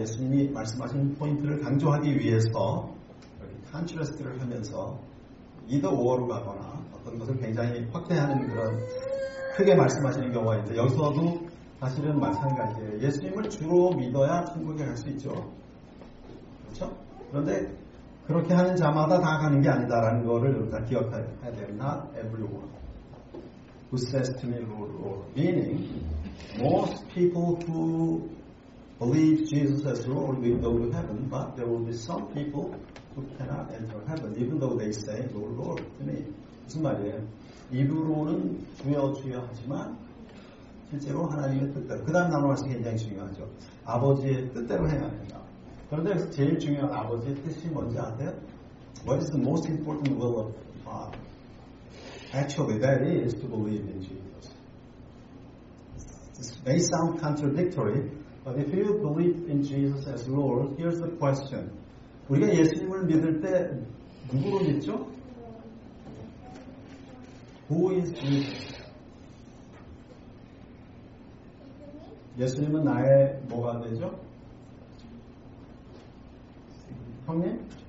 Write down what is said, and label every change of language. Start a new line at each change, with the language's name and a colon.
Korean: 예수님이 말씀하신 포인트를 강조하기 위해서 컨트라스트를 하면서 이더 오어로 가거나 어떤 것을 굉장히 확대하는 그런 크게 말씀하시는 경우가 있는데 여기서도 사실은 마찬가지예요. 예수님을 주로 믿어야 천국에 갈 수 있죠. 그렇죠? 그런데 그렇게 하는 자마다 다 가는 게 아니다라는 것을 다 기억해야 돼요.
English: Not everyone who says to me, Lord, Lord. Meaning, most people who believe Jesus as Lord will go to heaven, but there will be some people who cannot enter heaven, even though they say, Lord, Lord, to me.
Korean: 무슨 말이에요? 입으로는 주여 주여 하지만, 실제로 하나님의 뜻대로. 그 다음 나눠 말씀이 굉장히 중요하죠. 아버지의 뜻대로 행합니다. 그런데 여기서 제일 중요한 아버지의 뜻이 뭔지 아세요?
English: What is the most important will of God? Actually, that is to believe in Jesus. This may sound contradictory, but if you believe in Jesus as Lord, here's the question.
Korean: 우리가 예수님을 믿을 때 누구를 믿죠?
English: Who is Jesus?
Korean: 예수님은 나의 뭐가 되죠? 형님?